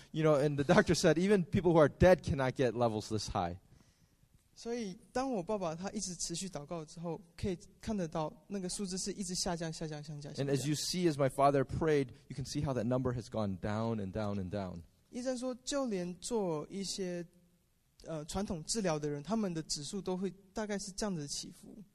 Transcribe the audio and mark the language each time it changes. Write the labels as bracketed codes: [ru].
[en] You know, and the doctor said even people who are dead cannot get levels this high. [zh] 所以当我爸爸他一直持续祷告之后，可以看得到那个数字是一直下降、下降、下降。 [en] And as you see, as my father prayed, you can see how that number has gone down and down and down. [zh] 医生说，就连做一些传统治疗的人，他们的指数都会大概是这样子的起伏。